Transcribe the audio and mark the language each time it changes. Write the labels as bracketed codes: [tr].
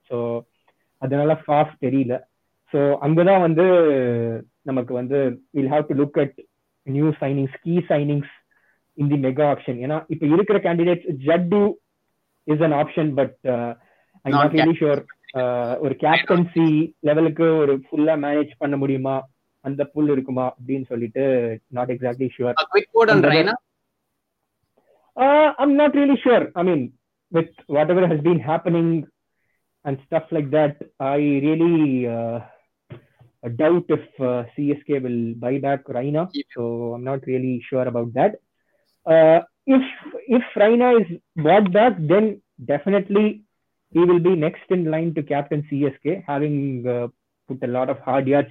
[ta] So adanalla Faf theriyala. So anga da vandu namakku vandu [en] we'll have to look at new signings, key signings in the mega auction. [ta] Ena ipo irukkira [en] candidates, Jaddu is an option, but I'm not really sure. [ta] ஒரு captaincy லெவலுக்கு ஒரு ஃபுல்லா manage பண்ண முடியுமா, அந்த புல் இருக்குமா அப்படின்னு சொல்லிட்டு [en] Not exactly sure. I'm not really sure. I mean, with whatever has been happening and stuff like that, I really doubt if CSK will buy back Raina. So I'm not really sure about that. If Raina is bought back, then definitely he will be next in line to captain CSK, having put a lot of hard yards.